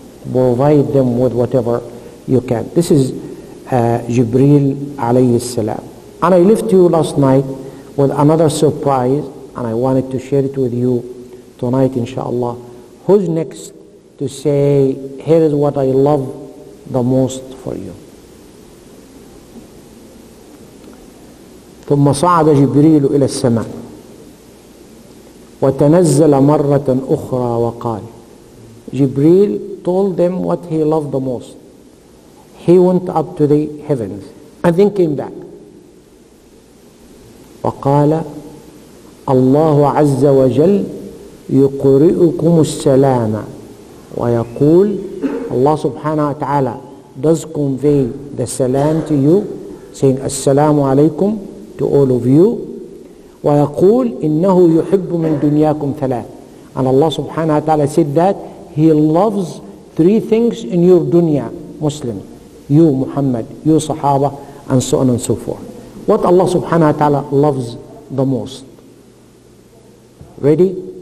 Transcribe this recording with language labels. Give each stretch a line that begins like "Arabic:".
English: Provide them with whatever you can. This is Jibreel alayhi salam. And I left you last night with another surprise, and I wanted to share it with you tonight, inshallah. Who's next to say, here is what I love the most for you?
Arabic: ثم صعد جبريل إلى السماء وتنزل مرة أخرى وقال جبريل
English: told them what he loved the most.
Arabic: He went up to the heavens and then came back. وقال الله عز وجل يقرئكم السلام ويقول الله سبحانه وتعالى
English: does convey the salam to you saying
Arabic: السلام عليكم
English: to all of you.
Arabic: ويقول إنه يحب من دنياكم ثلاث.
English: And Allah subhanahu wa ta'ala said that He loves three things in your dunya, Muslim. You Muhammad, you Sahaba, and so on and so forth. What Allah subhanahu wa ta'ala loves the most? Ready?